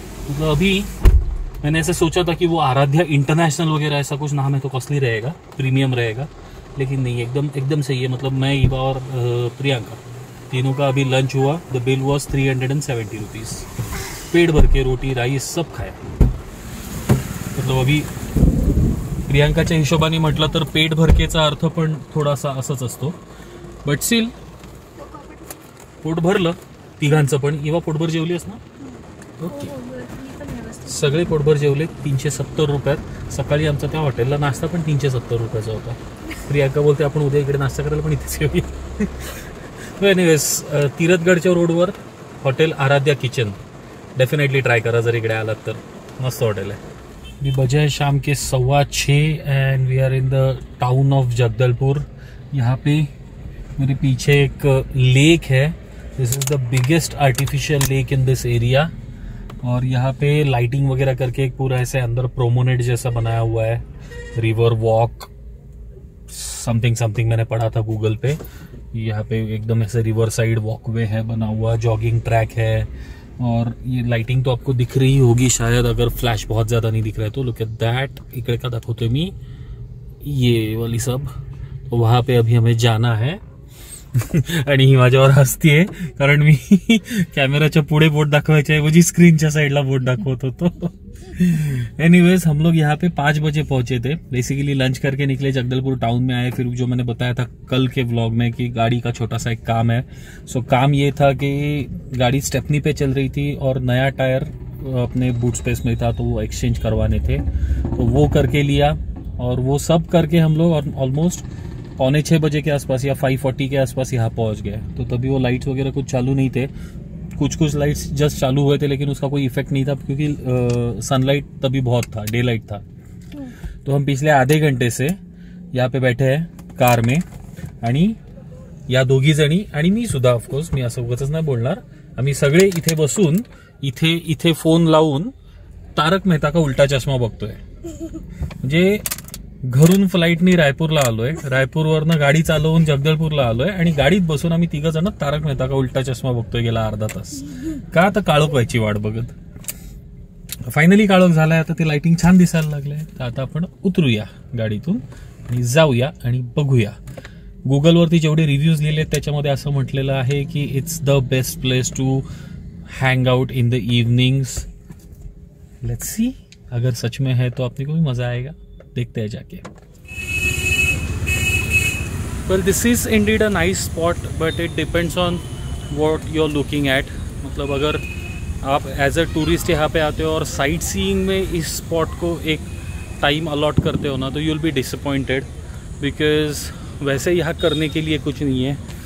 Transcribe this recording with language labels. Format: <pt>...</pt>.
<hi>मतलब अभी मैंने ऐसे सोचा था कि वो आराध्या इंटरनेशनल वगैरह ऐसा कुछ नाम है तो कॉस्टली रहेगा, प्रीमियम रहेगा, लेकिन नहीं, एकदम एकदम सही है। मतलब मैं इवा और प्रियंका तीनों का अभी लंच हुआ,</hi> <en>the bill was 370 rupees,</en> <hi>पेट भर के रोटी राइस सब खाया।</hi> <mr>मतलब अभी प्रियंकाच्या हिशोबाने म्हटलं तर पेट भरकेचा अर्थ पण थोडासा असाच असतो, बट स्टील पोट भरलं तिघांचं पण। इवा पोटभर जेवलीस ना?</mr> <en>okay,</en> <mr>सगळे पोटभर जेवले 370 रुपयात। सकाळी आमचा त्या हॉटेलला नाश्ता पण 370 रुपयाचा होता। प्रियंका बोलते आपण उद्या इकडे नाश्ता करायला, पण इथेच येऊया। एनिवेज, तीरथगडच्या रोडवर hotel Aaradhya kitchen, definitely try करा जर इकडे आलात तर, मस्त हॉटेल आहे।</mr> <en>मी</en> <hi>बजाय शाम के</hi> <en>6:15 and we are in the town of Jagdalpur.</en> <hi>यहाँ पे मेरे पीछे एक लेक है,</hi> <en>this is the biggest artificial lake in this area,</en> <hi>और यहाँ पे लाइटिंग वगैरह करके एक पूरा ऐसे अंदर प्रोमोनेड जैसा बनाया हुआ है, रिवर वॉक समथिंग समथिंग मैंने पढ़ा था गूगल पे। यहाँ पे एकदम ऐसे रिवर साइड वॉकवे है बना हुआ, जॉगिंग ट्रैक है, और ये लाइटिंग तो आपको दिख रही होगी शायद, अगर फ्लैश बहुत ज़्यादा नहीं दिख रहा है तो।</hi> <en>look at that,</en> <hi>इकड़े का दाखोते मी ये वाली सब, तो वहाँ पे अभी हमें जाना है।</hi> <mr>आणि ही माझ्या वर हसती आहे कारण मी कॅमेराच्या पुढे बोट दाखवायच्या ऐवजी स्क्रीनच्या साइडला बोट दाखवत होतो।</mr> <hi>एनीवेज, हम लोग यहाँ पे 5 बजे पहुंचे थे, बेसिकली लंच करके निकले, जगदलपुर टाउन में आए, फिर जो मैंने बताया था कल के व्लॉग में कि गाड़ी का छोटा सा एक काम है, सो काम ये था कि गाड़ी स्टेपनी पे चल रही थी और नया टायर अपने बूट स्पेस में था तो वो एक्सचेंज करवाने थे, तो वो करके लिया, और वो सब करके हम लोग ऑलमोस्ट 6:45 के आसपास या 5:40 के आसपास यहाँ पहुँच गए। तो तभी वो लाइट्स वगैरह कुछ चालू नहीं थे, कुछ कुछ लाइट्स जस्ट चालू हुए थे लेकिन उसका कोई इफेक्ट नहीं था क्योंकि सनलाइट तभी बहुत था, डे लाइट था। तो हम पिछले आधे घंटे से यहाँ पे बैठे हैं कार में,</hi> <mr>आणि या दोघी जणी आणि मी सुद्धा, ऑफकोर्स मी असं उगाचच नाही बोलणार, आम्ही सगळे इथे बसून इथे इथे फोन लावून तारक मेहता का उलटा चष्मा बघतोय। म्हणजे घरून फ्लाईटनी रायपूरला आलोय, रायपूरवरनं गाडी चालवून जगदलपूरला आलोय, आणि गाडीत बसून आम्ही तिघ जण तारक मेहता का उलटा चष्मा बघतोय गेला अर्धा तास। का तर काळोख व्हायची वाट बघत, फायनली काळोख झालाय, आता ते लाइटिंग छान दिसायला लागलंय, तर आता आपण उतरूया गाडीतून आणि जाऊया आणि बघूया। गुगलवरती जेवढे रिव्ह्यूज लिहिले त्याच्यामध्ये असं म्हटलेलं आहे की</mr> <en>It's the best place to hang out in the evenings. Let's see,</en> <hi>अगर सच में है तो आपने को भी मजा आएगा, देखते हैं जाके।</hi> <en>Well, this is indeed a nice spot, but it depends on what you are looking at.</en> <hi>मतलब अगर आप एज अ टूरिस्ट यहाँ पे आते हो और साइट सीइंग में इस स्पॉट को एक टाइम अलॉट करते हो ना, तो</hi> <en>you will be disappointed,</en> <hi>because वैसे यहाँ करने के लिए कुछ नहीं है।</hi>